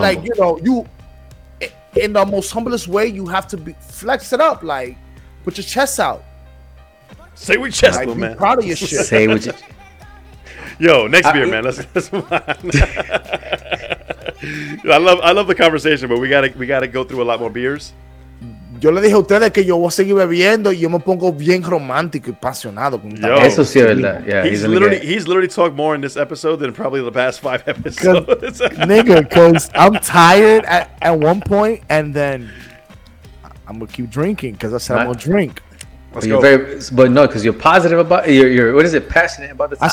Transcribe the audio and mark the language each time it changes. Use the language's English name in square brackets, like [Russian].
[English] Like, you know, you, in the most humblest way, you have to be flex it up. Like, put your chest out. Say with chest, like, man. Be proud of your shit. Say with yo, next beer, man. Let's move on. I love the conversation, but we gotta go through a lot more beers. [Spanish] Yo le dije a ustedes que yo voy a seguir bebiendo y yo me pongo bien romántico y apasionado. Eso sí es verdad. Yeah, [English] he's literally talked more in this episode than probably the past 5 episodes. Nigga, because I'm tired at one point and then I'm going to keep drinking because I said I'm going to drink. Let's go. Because you're positive about it. What is it? Passionate about the topic.